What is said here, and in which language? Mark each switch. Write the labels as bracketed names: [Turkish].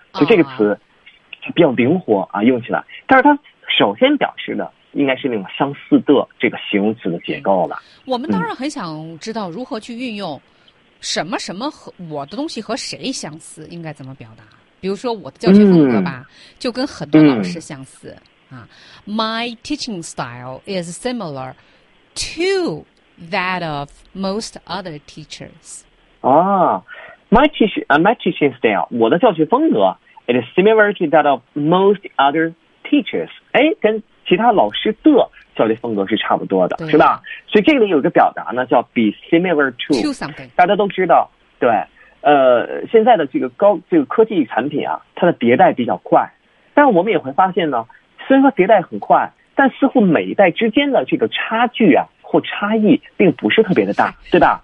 [Chinese] 就这个词比较灵活啊，用起来。但是它首先表示的应该是那种相似的这个形容词的结构了。我们当然很想知道如何去运用。什么什么和我的东西和谁相似，应该怎么表达？比如说我的教学风格吧，就跟很多老师相似啊。 [English] My teaching style is similar to that of most other teachers. 啊 my teaching style， [Chinese] 我的教学风格 [English] ，it is similar to that of most other teachers。 [Chinese] 哎，跟其他老师的教练风格是差不多的，是吧？所以这里有一个表达呢，叫 [English] be similar to something。 [Chinese] 大家都知道，对，现在的这个高这个科技产品啊，它的迭代比较快，但我们也会发现呢，虽然说迭代很快，但似乎每一代之间的这个差距啊或差异并不是特别的大，对吧？